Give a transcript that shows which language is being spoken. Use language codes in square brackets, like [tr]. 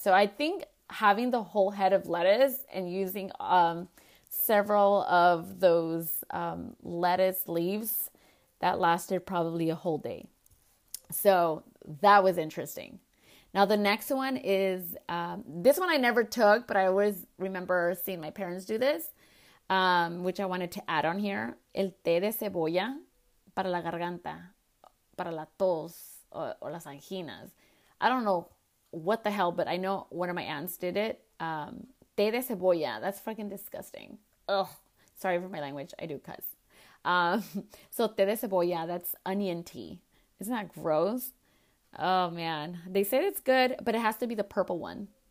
[en] So I think having the whole head of lettuce and using several of those lettuce leaves, that lasted probably a whole day. So that was interesting. Now the next one is, this one I never took, but I always remember seeing my parents do this, which I wanted to add on here. [es] El té de cebolla para la garganta, para la tos, o las anginas. [en] I don't know what the hell, but I know one of my aunts did it. Té de cebolla, that's freaking disgusting. Ugh, sorry for my language, I do cuss. So té de cebolla, that's onion tea. Isn't that gross? Oh man, they said it's good, but it has to be the purple one.